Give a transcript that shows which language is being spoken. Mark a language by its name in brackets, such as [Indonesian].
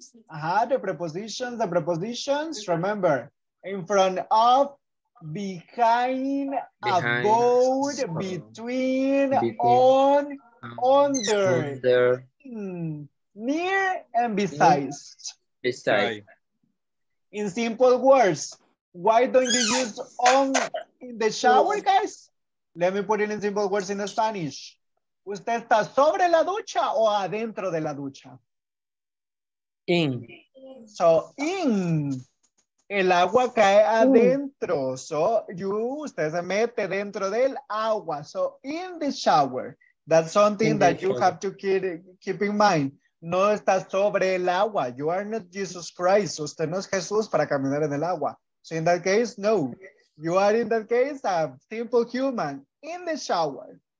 [English] The prepositions, remember, in front of, behind, about, between, on, under, near, and besides. In simple words, why don't you use on in the shower, guys? Let me put it in simple words in Spanish. [Spanish] ¿Usted está sobre la ducha o adentro de la ducha? [English] In. [Spanish] So in, el agua cae adentro. So you, usted se mete dentro del agua. [English] So in the shower, that's something that you have to keep in mind. [Spanish] No está sobre el agua. [English] You are not Jesus Christ. [Spanish] Usted no es Jesús para caminar en el agua. [English] So in that case, no. You are in that case a simple human in the shower.